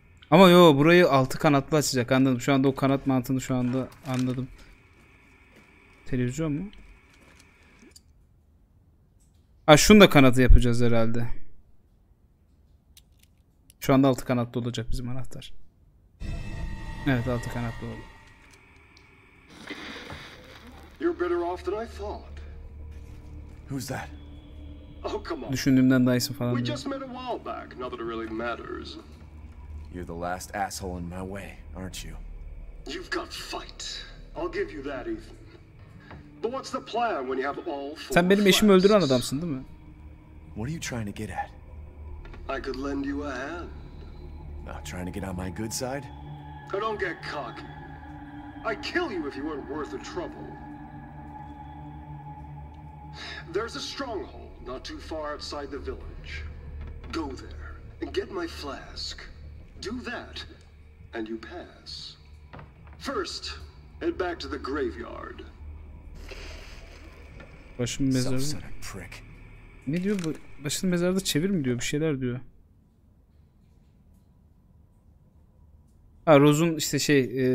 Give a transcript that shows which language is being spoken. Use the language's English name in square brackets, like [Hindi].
[Turkish] Ama yo, burayı 6 kanatlı açacak, anladım. Şu anda o kanat mantığını şu anda anladım. Televizyon mu? Ha, şunu da kanatı yapacağız herhalde. Şu anda altı kanatlı olacak bizim anahtar. Evet, altı kanatlı oldu. [English] You're better off than I thought. Who's that? Oh, come on. [Turkish] Düşündüğümden daha iyisin falan. [English] We just met a while back. Not that it really matters. You're the last asshole in my way, aren't you? You've got fight. I'll give you that, Ethan. But what's the plan when you have all four? [Turkish] Sen benim eşimi öldüren adamsın, değil mi? [English] What are you trying to get at? I could lend you a hand. Not trying to get on my good side? I don't get cocky. I'd kill you if you weren't worth the trouble. There's a stronghold not too far outside the village. Go there and get my flask. Do that, and you pass. First, head back to the graveyard. [Turkish] Başım mezarı. Ne diyor bu? Başını mezarda çevir mi diyor? Bir şeyler diyor. Ha, Rose'un işte şey.